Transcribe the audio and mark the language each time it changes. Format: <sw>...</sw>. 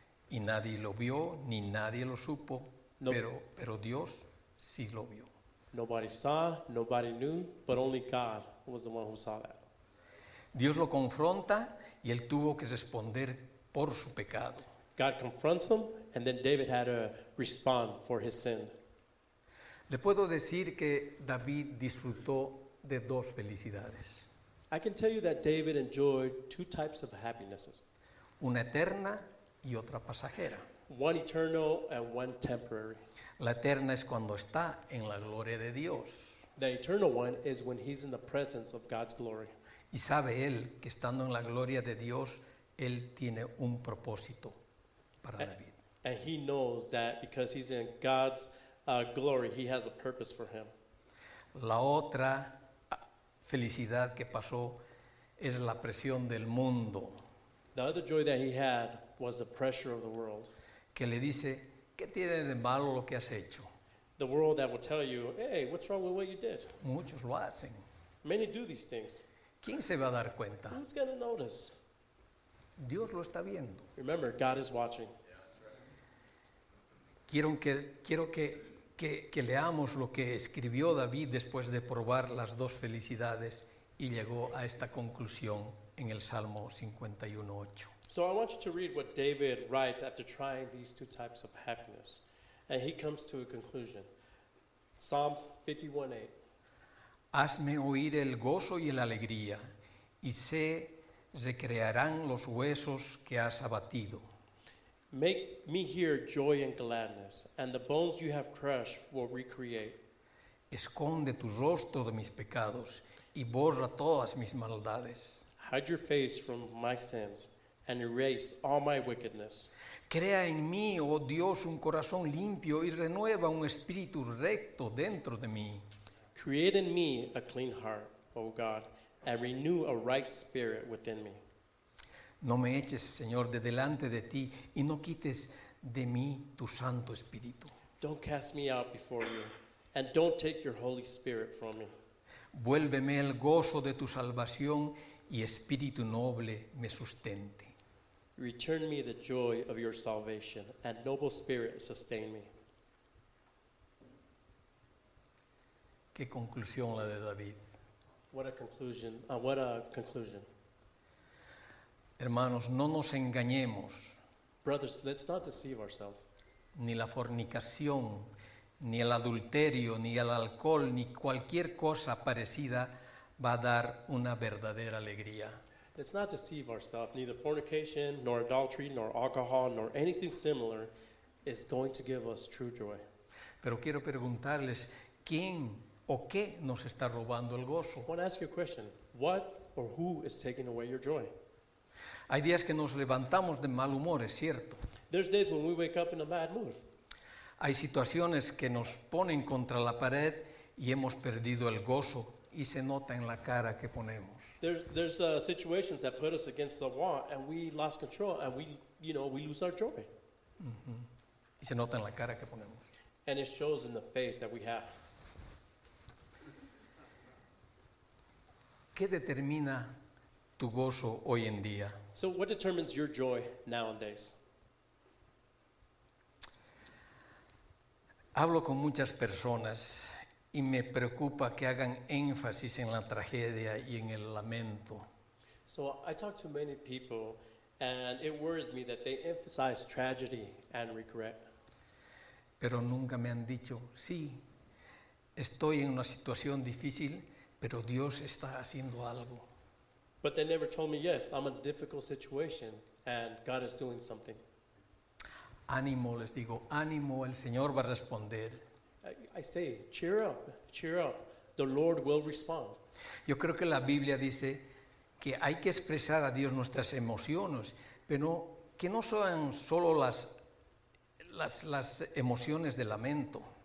<es>Y nadie lo vio, ni nadie lo supo, pero Dios sí lo vio.</es> <en>Nobody saw, nobody knew, but only God was the one who saw that.</en> <es>Dios lo confronta y él tuvo que responder por su pecado.</es> <en>God confronts him, and then David had to respond for his sin.</en> <es>Le puedo decir que David disfrutó de dos felicidades.</es> <en>I can tell you that David enjoyed two types of happinesses.</en> <es>Una eterna y otra pasajera.</es> <en>One eternal and one temporary.</en> <es>La eterna es cuando está en la gloria de Dios.</es> <en>The eternal one is when he's in the presence of God's glory.</en> <es>Y sabe él que estando en la gloria de Dios, él tiene un propósito para David.</es> <en>And he knows that because he's in God's glory, he has a purpose for him.</en> <es>La otra felicidad que pasó es la presión del mundo.</es> <en>The other joy that he had was the pressure of the world.</en> <es>Que le dice, ¿qué tiene de malo lo que has hecho?</es> <en>The world that will tell you, hey, what's wrong with what you did?</en> <es>Muchos lo hacen.</es> <en>Many do these things.</en> <es>¿Quién se va a dar cuenta?</es> <en>Who's going to notice?</en> <es>Dios lo está viendo.</es> <en>Remember, God is watching.</en> <es>Quiero que leamos lo que escribió David después de probar las dos felicidades y llegó a esta conclusión en el Salmo 51:8.</es> <en>So I want you to read what David writes after trying these two types of happiness. And he comes to a conclusion. Psalms 51:8.</en> <es>Hazme oír el gozo y la alegría, y se recrearán los huesos que has abatido.</es> <en>Make me hear joy and gladness, and the bones you have crushed will recreate.</en> <es>Esconde tu rostro de mis pecados, y borra todas mis maldades.</es> <en>Hide your face from my sins, and erase all my wickedness.</en> <es>Crea en mí, oh Dios, un corazón limpio, y renueva un espíritu recto dentro de mí.</es> <en>Create in me a clean heart, oh God, and renew a right spirit within me.</en> <es>No me eches, Señor, de delante de ti, y no quites de mí tu santo espíritu.</es> <en>Don't cast me out before you, and don't take your Holy Spirit from me.</en> <es>Vuélveme el gozo de tu salvación, y espíritu noble me sustente.</es> <en>Return me the joy of your salvation, and noble spirit sustain me.</en> <es>¿Qué conclusión la de David?</es> <en>What a conclusion.</en> <es>Hermanos, no nos engañemos.</es> <en>Brothers, let's not deceive ourselves.</en> <es>Ni la fornicación, ni el adulterio, ni el alcohol, ni cualquier cosa parecida va a dar una verdadera alegría.</es> <en>Let's not deceive ourselves. Neither fornication, nor adultery, nor alcohol, nor anything similar is going to give us true joy.</en> <es>Pero quiero preguntarles, ¿quién o qué nos está robando el gozo?</es> <en>I want to ask you a question. What or who is taking away your joy?</en> <es>Hay días que nos levantamos de mal humor, es cierto.</es> <en>There's days when we wake up in a bad mood.</en> <es>Hay situaciones que nos ponen contra la pared y hemos perdido el gozo y se nota en la cara que ponemos.</es> <en>There's situations that put us against the wall and we lost control and we lose our joy. Mm-hmm.</en> <es>Y se nota en la cara que ponemos.</es> <en>And it shows in the face that we have.</en> <es>¿Qué determina tu gozo hoy en día?</es> <en>So what determines your joy nowadays?</en> <es>Hablo con muchas personas y me preocupa que hagan énfasis en la tragedia y en el lamento.</es> <en>So I talk to many people and it worries me that they emphasize tragedy and regret.</en> <es>Pero nunca me han dicho, sí, estoy en una situación difícil, pero Dios está haciendo algo.</es> <en>But they never told me, yes, I'm in a difficult situation and God is doing something.</en> <es>Ánimo, les digo, ánimo, el Señor va a responder.</es> <en>I say, cheer up, the Lord will respond.</en> <es>Yo creo que la Biblia dice que hay que expresar a Dios nuestras emociones, pero que no sean solo las emociones de lamento.</es>